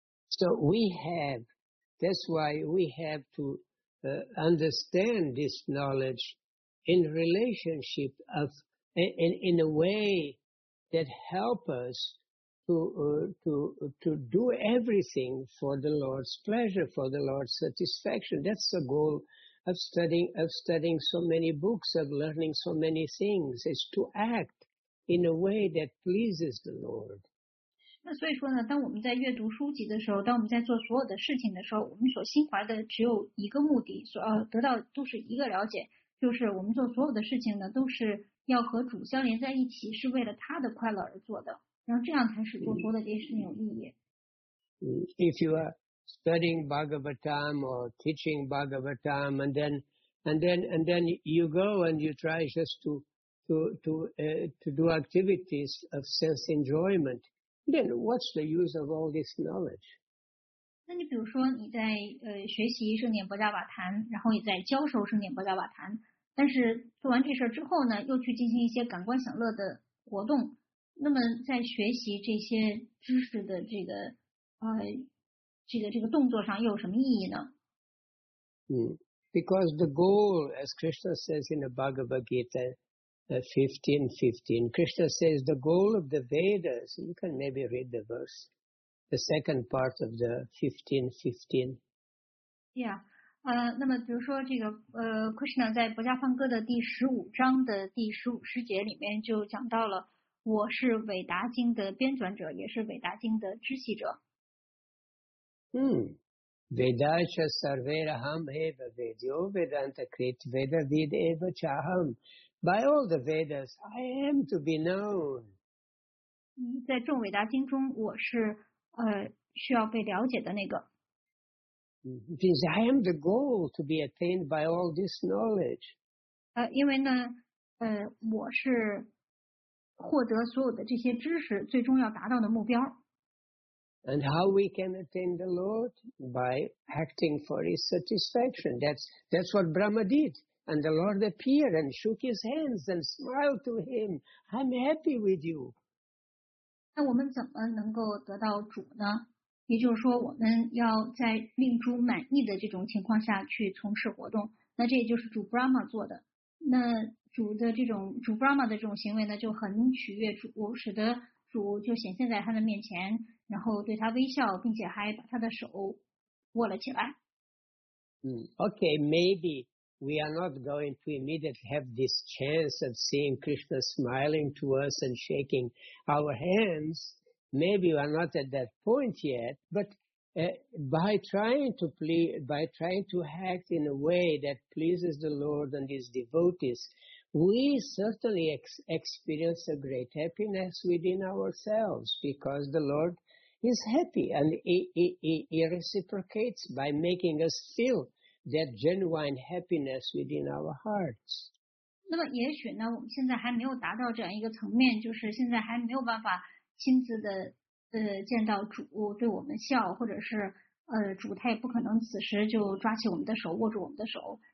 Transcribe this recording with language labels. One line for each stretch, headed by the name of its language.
English: So we have, that's why we have to understand this knowledge in relationship of, in a way that help us to do everything for the Lord's pleasure, for the Lord's satisfaction. That's the goal. Of studying so many books, of learning so many things, is to act in a way that pleases the Lord.
Chinese: 那所以说呢，当我们在阅读书籍的时候，当我们在做所有的事情的时候，我们所心怀的只有一个目的，所得到都是一个了解，就是我们做所有的事情呢，都是要和主相连在一起，是为了他的快乐而做的，然后这样才是做所有的这些事情有意义。
English: If you are. Studying Bhagavatam or teaching Bhagavatam, and then you go and you try just to do activities of sense enjoyment. Then what's the use of all this knowledge?
Chinese: 那你比如说你在学习圣典波迦瓦坛，然后也在教授圣典波迦瓦坛，但是做完这事之后呢，又去进行一些感官享乐的活动。那么在学习这些知识的这个动作上又有什么意义呢？
English: Because the goal, as Krishna says in the Bhagavad Gita 15:15, Krishna says the goal of the Vedas, you can maybe read the verse, the second part of the 15:15.
Chinese: Yeah, 那么比如说这个Krishna 在博迦梵歌的第十五章的第十五诗节里面就讲到了，我是伟达经的编纂者，也是伟达经的知悉者。
Sanskrit: Vedacha sarveraham eva vedyo vedanta krit veda vid eva chaham.
English: By all the Vedas, I am to be known.
Chinese: 在众伟达经中，我是需要被了解的那个。
English: Because I am the goal to be attained by all this knowledge.
Chinese: 因为呢，我是获得所有的这些知识最终要达到的目标。
English: And how we can attain the Lord? By acting for His satisfaction. That's what Brahma did. And the Lord appeared and shook His hands and smiled to Him. I'm happy with you.
Chinese: 那我们怎么能够得到主呢？也就是说，我们要在令主满意的这种情况下去从事活动。那这也就是主 Brahma 做的。那主 Brahma 的这种行为呢，就很取悦主，使得主就显现在他的面前，然后对他微笑，并且还把他的手握了起来。
English: Okay, maybe we are not going to immediately have this chance of seeing Krishna smiling to us and shaking our hands. Maybe we are not at that point yet. But by trying to act in a way that pleases the Lord and His devotees, we certainly experience a great happiness within ourselves because the Lord is happy and he reciprocates by making us feel that genuine happiness within our hearts.
Chinese: 那么也许呢，我们现在还没有达到这样一个层面，就是现在还没有办法亲自的见到主对我们笑，或者是主他也不可能此时就抓起我们的手握住我们的手。